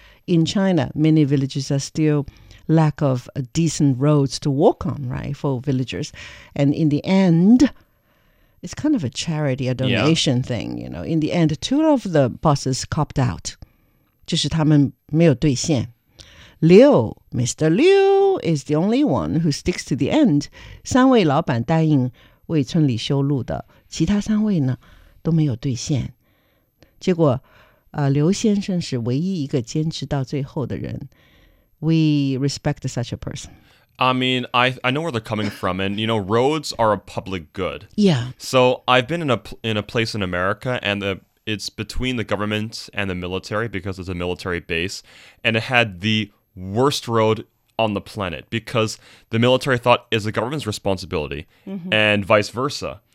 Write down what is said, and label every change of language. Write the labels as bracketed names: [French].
[English] In China, many villages are still... lack of decent roads to walk on, right, for villagers. And in the end, it's kind of a charity, a donation thing, you know. In the end, two of the bosses copped out. [Chinese] 就是他们没有兑现。 [English] Mr. Liu is the only one who sticks to the end. [Chinese] 三位老板答应为村里修路的,其他三位呢,都没有兑现。结果,刘先生是唯一一个坚持到最后的人。 [English] We respect such a person. I mean, I know where they're coming from. And, you know, roads are a public good. Yeah. So I've been in a place in America, and it's between the government and the military because it's a military base. And it had the worst road on the planet because the military thought it's the government's responsibility and vice versa.